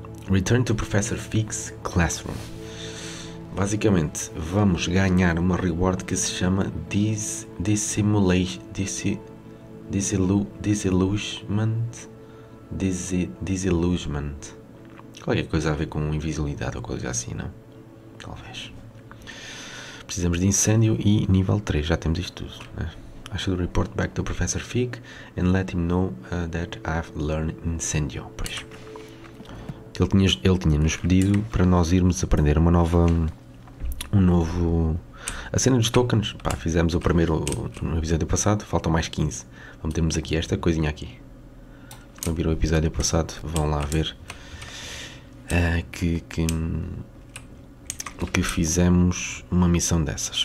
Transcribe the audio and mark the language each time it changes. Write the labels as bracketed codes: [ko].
[en] Return to Professor Fig's Classroom. [pt] Basicamente, vamos ganhar uma reward que se chama Disillusionment. Qualquer coisa a ver com invisibilidade ou coisa assim, não? Talvez. Precisamos de incêndio e nível 3, já temos isto tudo, né? [en] I should report back to Professor Fig and let him know that I've learned incêndio. [pt] Pois. Ele tinha-nos pedido para nós irmos aprender uma nova, um novo, a cena dos tokens. Pá, fizemos o primeiro no episódio passado, faltam mais 15. Vamos termos aqui esta coisinha aqui. Se não viram o episódio passado, vão lá ver que fizemos uma missão dessas.